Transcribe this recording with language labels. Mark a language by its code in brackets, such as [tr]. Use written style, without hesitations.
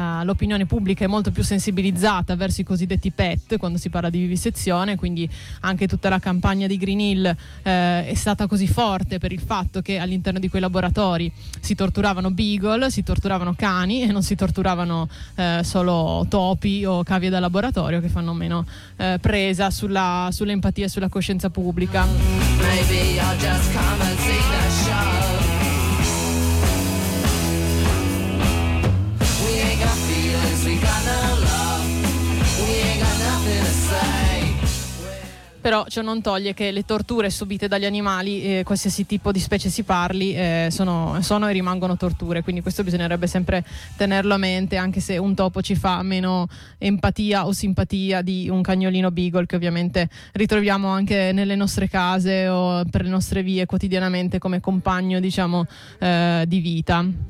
[it] l'opinione pubblica è molto più sensibilizzata verso i cosiddetti pet quando si parla di vivisezione, quindi anche tutta la campagna di Green Hill è stata così forte per il fatto che all'interno di quei laboratori si torturavano beagle, si torturavano cani e non si torturavano solo topi o cavie da laboratorio, che fanno meno presa sull'empatia e sulla coscienza pubblica. [en] Maybe I'll just come and see the show. We ain't got feelings, we got no love. We ain't got nothing to say. [it] Però ciò non toglie che le torture subite dagli animali, qualsiasi tipo di specie si parli, sono e rimangono torture. Quindi questo bisognerebbe sempre tenerlo a mente, anche se un topo ci fa meno empatia o simpatia di un cagnolino beagle, che ovviamente ritroviamo anche nelle nostre case o per le nostre vie quotidianamente come compagno, diciamo, di vita.